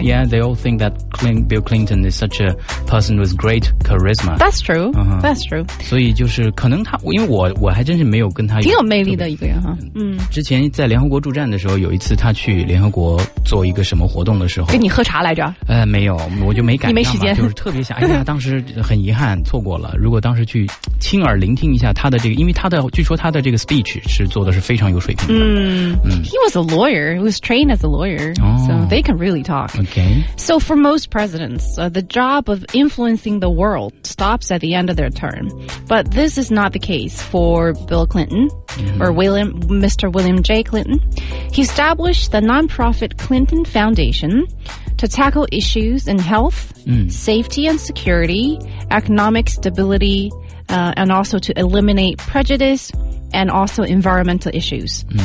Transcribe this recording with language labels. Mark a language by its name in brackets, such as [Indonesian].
[English] Yeah, they all think that Bill Clinton is such a person with great charisma. That's true.、Uh-huh. That's true. [Chinese] 所以就是可能他，因为我还真是没有跟他挺有魅力的一个人哈。之前在联合国驻站的时候，有一次他去联合国做一个什么活动的时候，跟你喝茶来着？没有，我就没赶上，你没时间，就是特别想，哎呀，当时很遗憾错过了。如果当时去亲耳聆听一下他的这个，因为他的据说他的这个 speech 是做的是非常有水平的。 [English] He was a lawyer. He was trained as a lawyer,、so they can really talk. Okay. So for most presidents, the job of influencing the world stops at the end of their term. But this is not the case for Bill Clinton, or Mr. William J. Clinton. He established the nonprofit Clinton Foundation to tackle issues in health, safety and security, economic stability, and also to eliminate prejudice and also environmental issues.